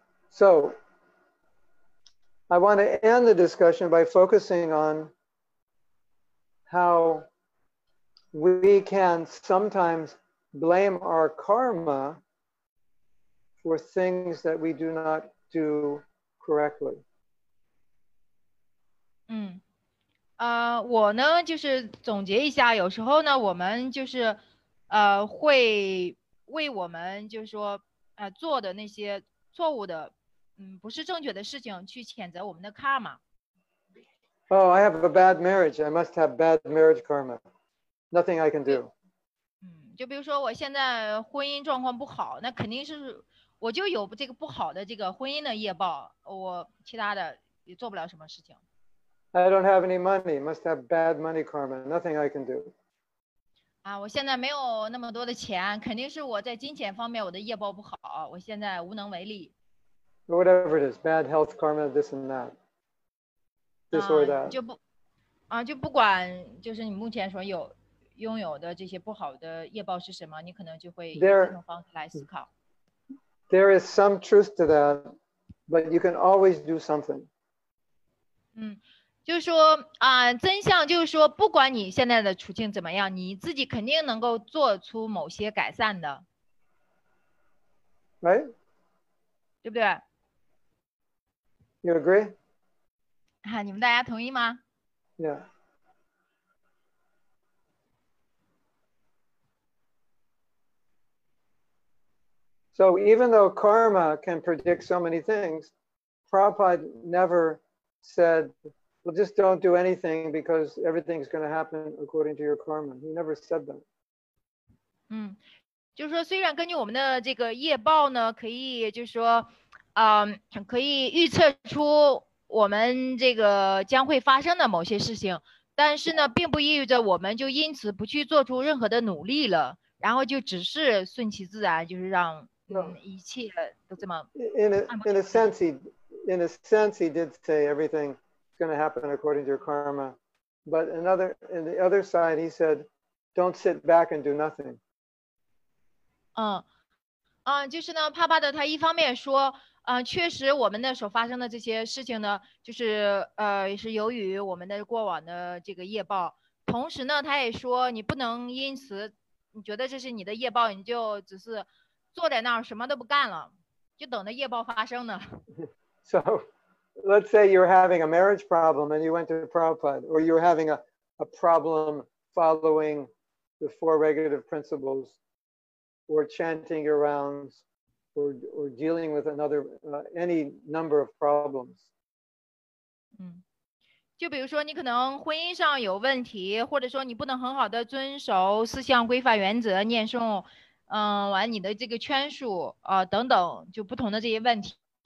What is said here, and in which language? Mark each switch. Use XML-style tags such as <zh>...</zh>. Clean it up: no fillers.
<en>So, I want to end the discussion by focusing on how we can sometimes blame our karma for things that we do not do correctly.</en> <zh>我呢就是总结一下，有时候呢我们就是会为我们就是说做的那些错误的不是正确的事情去谴责我们的 karma。</zh> <en>Oh, I have a bad marriage. I must have bad marriage karma. Nothing I can do.</en> <zh>就比如说我现在婚姻状况不好，那肯定是我就有这个不好的这个婚姻的业报，我其他的也做不了什么事情。</zh> <en>I don't have any money. Must have bad money karma. Nothing I can do.</en> <zh>我现在没有那么多的钱，肯定是我在金钱方面我的业报不好，我现在无能为力。</zh> <en>Whatever it is, bad health karma, this and that. This or that.</en> <zh>就不管就是你目前所有拥有的这些不好的业报是什么，你可能就会以这种方式来思考。</zh> <en>There is some truth to that, but you can always do something.</en> <zh>就是说真相就是说，不管你现在的处境怎么样，你自己肯定能够做出某些改善的。</zh> <en>Right?</en> <zh>对不对？</zh> <en>You agree?</en> <zh>啊，你们大家同意吗？</zh> <en>Yeah. So even though karma can predict so many things, Prabhupada never said, well, just don't do anything because everything's going to happen according to your karma. He never said that.</en> <zh>就是说虽然根据我们的这个业报呢可以就是说可以预测出我们这个将会发生的某些事情但是呢并不意味着我们就因此不去做出任何的努力了然后就只是顺其自然就是让一切都这么</zh> <en>in a sense he did say everything is going to happen according to your karma but in the other side he said don't sit back and do nothing</en> <zh>就是呢帕帕的他一方面说确实我们那时候发生的这些事情呢就是也是由于我们的过往的这个业报同时呢他也说你不能因此你觉得这是你的业报你就只是坐在那儿什么都不干了就等着业报发生呢</zh> <en>So let's say you're having a marriage problem and you went to Prabhupada or you're having a problem following the four regulative principlesor chanting your rounds, or dealing with another, any number of problems.</en> <zh>就比如说你可能婚姻上有问题或者说你不能很好的遵守四项规范原则念诵完你的这个圈数等等就不同的这些问题。</zh>